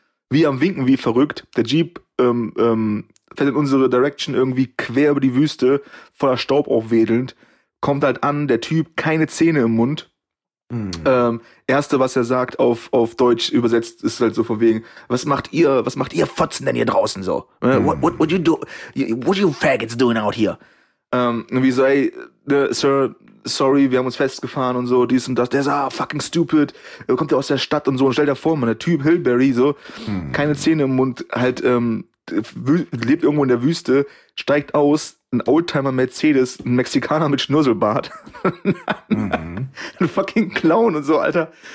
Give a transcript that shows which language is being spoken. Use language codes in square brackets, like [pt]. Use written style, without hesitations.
[de] Wie am Winken, wie verrückt. Der Jeep fährt in unsere Direction irgendwie quer über die Wüste, voller Staub aufwedelnd. Kommt halt an, der Typ, keine Zähne im Mund. Erste, was er sagt, auf Deutsch übersetzt, ist halt so von wegen, was macht ihr Fotzen denn hier draußen so? [en] What you faggots doing out here? [de] Und wie so, ey, Sir, sorry, wir haben uns festgefahren und so, dies und das, der ist [en] fucking stupid, [de] kommt ja aus der Stadt und so, und stell dir vor, man, der Typ Hillberry, so, keine Zähne im Mund, halt, lebt irgendwo in der Wüste, steigt aus, ein Oldtimer-Mercedes, ein Mexikaner mit Schnurzelbart, ein fucking Clown und so, Alter.